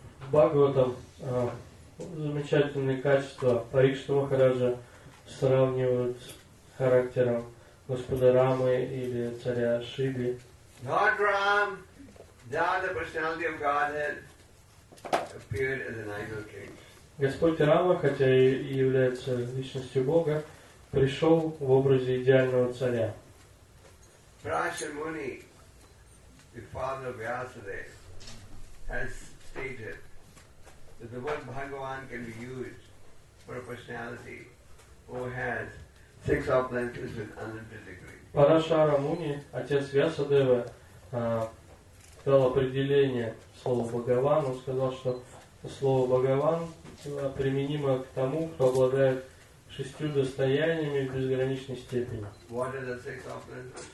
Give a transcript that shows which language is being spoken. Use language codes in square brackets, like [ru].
[ru] Бхагаватам замечательные качества Парикшита Махараджа сравнивают с характером Господа Рамы или царя Шиви. [en] Lord Ram, thou the personality of Godhead, appeared as an idol king. [ru] Господь Рама, хотя и является личностью Бога, пришел в образе идеального царя. [en] Prashamuni, the father of Vyasadeva, has stated that the word Bhagavan can be used for a personality who has six opulences with unlimited degree. [ru] Парашара Муни, отец Вьясадевы, дал определение слову Бхагаван. Он сказал, что слово Бхагаван применимо к тому, кто обладает шестью достояниями в безграничной степени. [en] What are the six opulences?